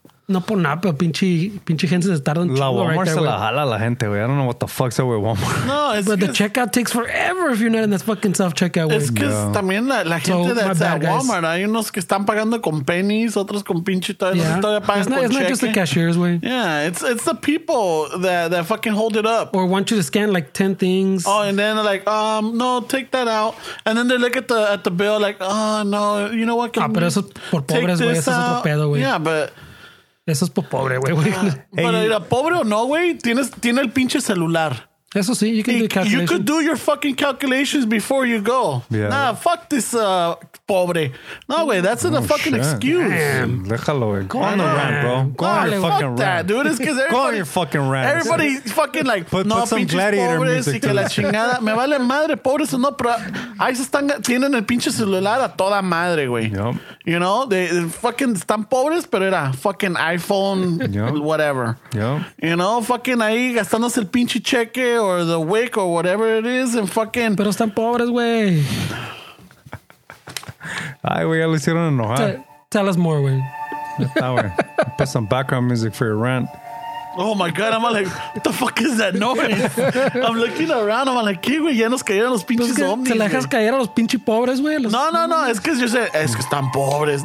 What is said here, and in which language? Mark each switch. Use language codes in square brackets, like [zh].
[es] No por nada, pero pinche gente se tarda un [en] chingo. La Walmart right there, [es] se la jala a la gente, güey. [en] I don't know what the fuck's up with Walmart. No, it's but the checkout takes forever if you're not in this fucking self-checkout, [es] güey. Es que también la gente [en] that's at Walmart, guys. [es] Hay unos que están pagando con pennies, otros con pinche todavía pagan con cheque. [en] It's not just the cashiers, güey. Yeah, it's the people that fucking hold it up. Or want you to scan like 10 things. Oh, and then like, no, take that out. And then they look at the bill like, oh, no, you know what? [es] Pero eso por pobres, güey, eso es otro pedo, güey. [en] Yeah, but... [es] Eso es por pobre, güey. Hey. Pero era pobre o no, güey, tiene el pinche celular. Eso sí, [en] you can do calculations. You could do your fucking calculations before you go. Yeah. Nah, fuck this, pobre. No, güey, that's a fucking shit. Excuse. Damn, [es] déjalo, güey. [en] Go on the rant, bro. Go on your fucking rant. Fuck that, dude. It's because go on your fucking rant. Everybody fucking like, put, no, put some gladiator [es] pobres, [en] music. [es] Y que la chingada. Me vale madre, pobres o no, pero ahí se están, tienen el pinche celular a toda madre, güey. [en] Yep. You know, they fucking [es] están pobres, pero era [en] fucking iPhone, yep. Whatever. Yep. You know, fucking [es] ahí gastándose el pinche cheque. [en] Or the wick or whatever it is and fucking [es] pero están pobres wey. Ay wey, ya lo hicieron enojar. [en] Tell us more wey. Put some background music for your rant. Oh my god, I'm like, what the fuck is that noise? I'm looking around, I'm like, [es] ¿qué, güey? Ya nos cayeron los pinches pues ovnis. ¿Te la dejas caer a los pinches pobres, güey? No, no, no, es que yo sé, es que están pobres.